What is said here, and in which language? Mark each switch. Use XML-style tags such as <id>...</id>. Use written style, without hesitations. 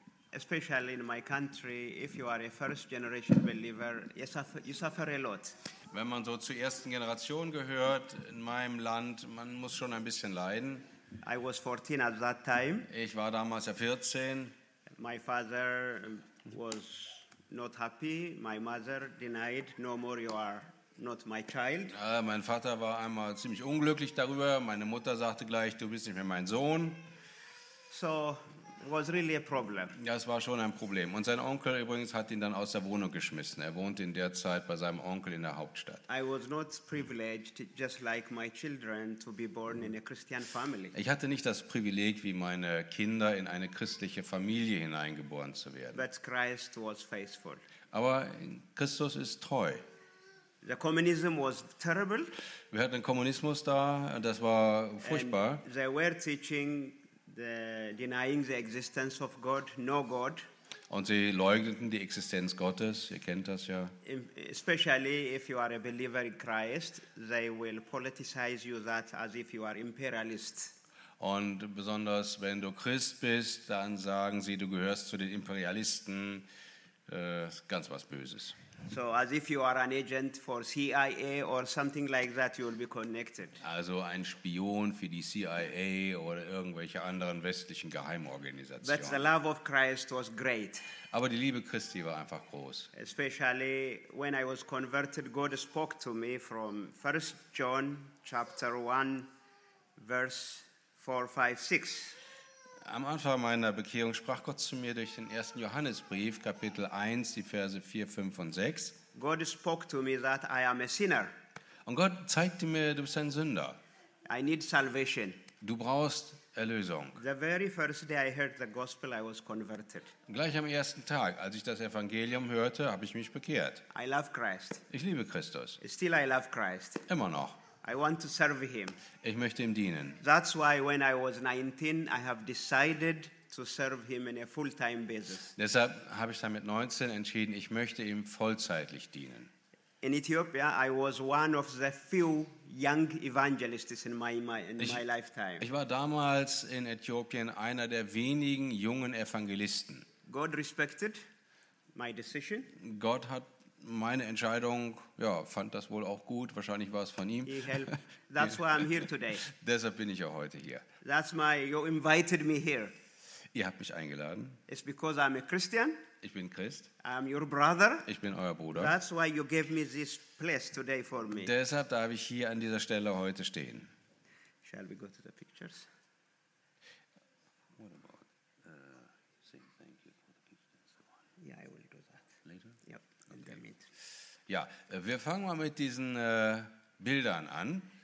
<en>Especially in my country, if you are a first generation believer, you suffer a lot.</en> <de>Wenn man so zur ersten Generation gehört in meinem Land, man muss schon ein bisschen leiden.</de> <en>I was 14 at that time.</en> <de>Ich war damals ja 14.</de> <en>My father was not happy. My mother denied, no more you are not my child.</en> <de>Mein Vater war einmal ziemlich unglücklich darüber. Meine Mutter sagte gleich, du bist nicht mehr mein Sohn.</de> <en>So, was really a problem.</en> <de>Ja, es war schon ein Problem. Und sein Onkel übrigens hat ihn dann aus der Wohnung geschmissen. Er wohnte in der Zeit bei seinem Onkel in der Hauptstadt.</de> <en>I was not privileged, just like my children, to be born in a Christian family.</en> <de>Ich hatte nicht das Privileg, wie meine Kinder in eine christliche Familie hineingeboren zu werden.</de> <en>But Christ was faithful.</en> <de>Aber Christus ist treu.</de> <en>The communism was terrible.</en> <de>Wir hatten Kommunismus da, das war furchtbar.</de> <en>And they were teaching the denying the existence of God, no God.</en> <de>Und sie leugneten die Existenz Gottes, ihr kennt das ja.</de> <en>Especially if you are a believer in Christ, they will politicize you that as if you are imperialist.</en> <de>Und besonders wenn du Christ bist, dann sagen sie, du gehörst zu den Imperialisten, ganz was Böses.</de> <en>So as if you are an agent for CIA or something like that, you will be connected.</en> <de>Also ein Spion für die CIA oder irgendwelche anderen westlichen Geheimorganisationen.</de> <en>But the love of Christ was great.</en> <de>Aber die Liebe Christi war einfach groß.</de> <en>Especially when I was converted, God spoke to me from 1 John chapter 1:4-6.</en> <de>Am Anfang meiner Bekehrung sprach Gott zu mir durch den 1. Johannesbrief, Kapitel 1, die Verse 4, 5 und 6.</de> <en>God spoke to me that I am a sinner.</en> <de>Und Gott zeigte mir, du bist ein Sünder.</de> <en>I need salvation.</en> <de>Du brauchst Erlösung.</de> <en>The very first day I heard the gospel, I was converted.</en> <de>Gleich am ersten Tag, als ich das Evangelium hörte, habe ich mich bekehrt.</de> <en>I love Christ.</en> <de>Ich liebe Christus.</de> <en>Still I love Christ.</en> <de>Immer noch.</de> <en>I want to serve him.</en> <de>Ich möchte ihm dienen.</de> <en>That's why when I was 19, I have decided to serve him in a full-time basis.</en> <de>Deshalb habe ich dann mit 19 entschieden, ich möchte ihm vollzeitlich dienen.</de> <en>In Ethiopia, I was one of the few young evangelists in my lifetime.</en> <de>Ich war damals in Äthiopien einer der wenigen jungen Evangelisten.</de> <en>God respected my decision.</en> <de>Gott hat meine Entscheidung, ja, fand das wohl auch gut. Wahrscheinlich war es von ihm.</de> <en>He helped. That's why I'm here today.</en> <de>Deshalb bin ich auch heute hier.</de> <en>That's why you invited me here.</en> <de>Ihr habt mich eingeladen.</de> <en>It's because I'm a Christian.</en> <de>Ich bin Christ.</de> <en>I'm your brother.</en> <de>Ich bin euer Bruder.</de> <en>That's why you gave me this place today for me.</en> <de>Deshalb darf ich hier an dieser Stelle heute stehen.</de> <en>Shall we go to the pictures? What about saying thank you for the gift and so on? Yeah, I will do that. Later? Yep.</en> <de>Ja, wir fangen mal mit diesen Bildern an.</de>